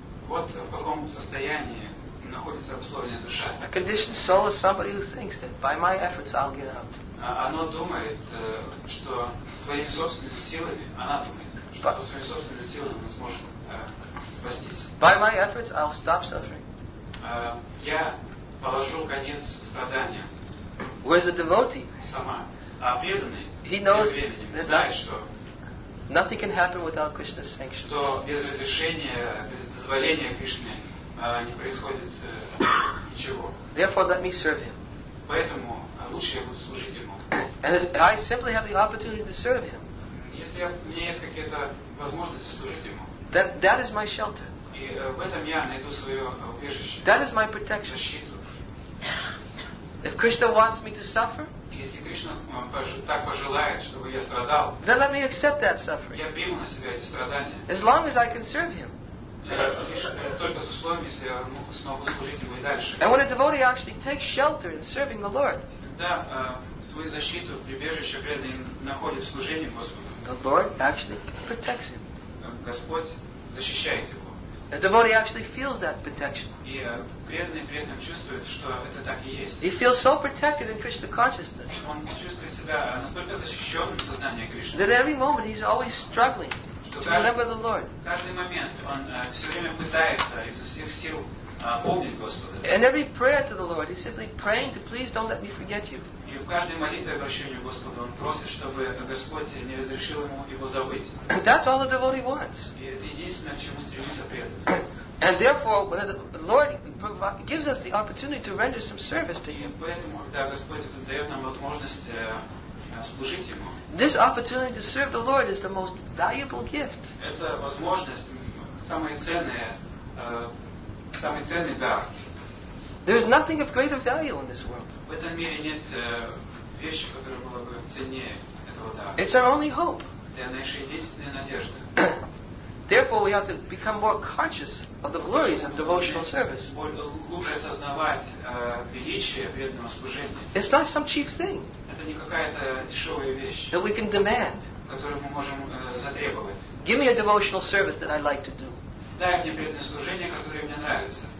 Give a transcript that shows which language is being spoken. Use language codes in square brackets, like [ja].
[ru] Вот в каком состоянии находится обусловленная душа. [en] A conditioned soul is somebody who thinks that by my efforts I'll get out. [ru] Оно думает, что своими собственными силами, она думает, что своими собственными силами она сможет спастись. [en] By my efforts I'll stop suffering. [ru] Я положу конец страданиям. [en] Where's the devotee? [ru] Сама. А преданный, [en] he knows [ru] that знает, что [en] nothing can happen without Krishna's sanction. [ru] Что без разрешения, без дозволения Кришны не происходит ничего. [en] Therefore, let me serve him. [ru] Поэтому лучше я буду служить ему. [en] And I simply have the opportunity to serve him. [ru] Если я, у меня есть какие-то возможности служить ему. [en] That is my shelter. [ru] И в этом я найду свое убежище. [en] That is my protection. [ru] Защиту. [en] If Krishna wants me to suffer, [ru] если Кришна так пожелает, чтобы я страдал, [en] then let me accept that suffering. [ru] Я приму на себя эти страдания. [en] As long as I can serve him. [ru] Только с условием, если я смогу служить ему и дальше. [en] And when a devotee actually takes shelter in serving the Lord, [ru] да, свою защиту, прибежище преданный находит в служении Господу. [en] The Lord actually protects him. [ru] Господь защищает его. [en] A devotee actually feels that protection. [ru] И преданный при этом чувствует, что это так и есть. [en] He feels so protected in Krishna consciousness. [ru] Он чувствует себя настолько защищенным в сознании Кришны. [en] That every moment he's always struggling to remember the Lord. [ru] Каждый момент он все время пытается изо всех сил помнить Господа. [en] And every prayer to the Lord, he's simply praying to please don't let me forget you. [ru] И в каждой молитве обращению к Господу он просит, чтобы Господь не разрешил ему его забыть. [en] And that's all the devotee wants. [ru] И это единственное, к чему стремится преданный. [en] And therefore, when the Lord gives us the opportunity to render some service to him, [ru] и поэтому, когда Господь дает нам возможность служить ему, [en] this opportunity to serve the Lord is the most valuable gift. [ru] Это возможность, самый ценный дар. [en] There is nothing of greater value in this world. [ru] В этом мире нет вещи, которая была бы ценнее этого дара. [en] It's our only hope. [ru] Это наша единственная надежда. [en] Therefore, we have to become more conscious of the glories of devotional service. [ru] Лучше осознавать величие преданного служения. [en] It's not some cheap thing. [ru] Это не какая-то дешевая вещь. [en] That we can demand. [ru] Которую мы можем затребовать. [en] Give me a devotional service that I'd like to do. [ru] Дай мне преданное служение, которое мне нравится.